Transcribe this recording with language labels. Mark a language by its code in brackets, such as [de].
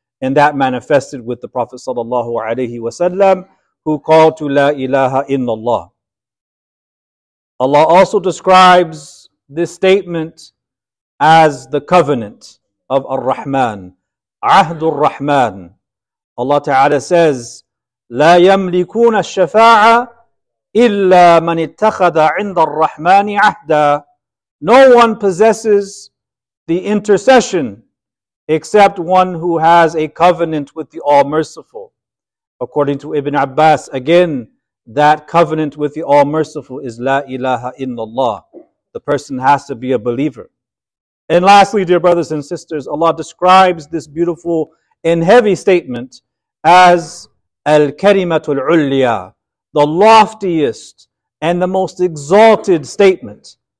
[en] And that manifested with the Prophet sallallahu alayhi wa sallam, who called to La ilaha illallah. Allah also describes this statement as the covenant of Ar-Rahman, [ar] عهد الرحمن. [en] Allah Ta'ala says, [ar] لا يملكون الشفاعة إلا من اتخذ عند الرحمن عهدا. [en] No one possesses the intercession except one who has a covenant with the All-Merciful. According to Ibn Abbas, again, that covenant with the All-Merciful is La ilaha illallah. The person has to be a believer. And lastly, dear brothers and sisters, Allah describes this beautiful and heavy statement as Al-Karimatul Ulya, the loftiest and the most exalted statement.